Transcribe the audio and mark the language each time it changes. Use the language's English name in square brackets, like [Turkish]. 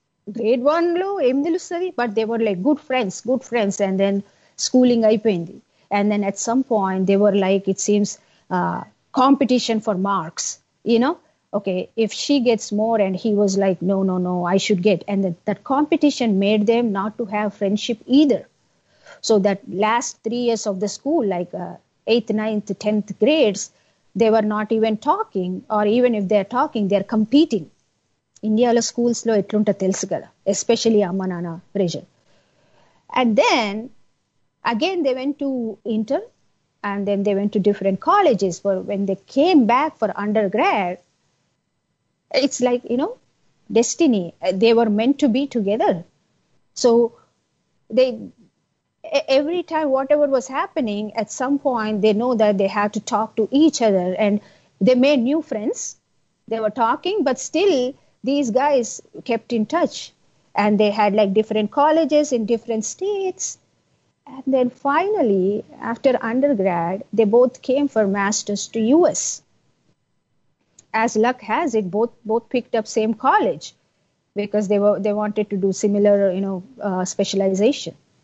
[English] Grade one [Telugu] lo em telustadi, [English] but they were like good friends, and then schooling [Telugu] aipoyindi, [English] and then at some point they were like, it seems competition for marks, you know, okay, if she gets more, and he was like, no, I should get, and then that competition made them not to have friendship either. So that last 3 years of the school, like 8th, 9th, 10th grades, they were not even talking, or even if they're talking, they're competing. [Telugu] ఇండియాలో స్కూల్స్లో ఎట్లుంటో తెలుసు కదా, especially అమ్మ నాన్న pressure. [English] And then again they went to inter and then they went to different colleges for when they came back for undergrad. It's like you know destiny, they were meant to be together. So they every time whatever was happening at some point they know that they have to talk to each other and they made new friends. They were talking but still these guys kept in touch, and they had like different colleges in different states. And then finally, after undergrad, they both came for masters to US. As luck has it, both picked up same college, because they wanted to do similar, you know, specialization.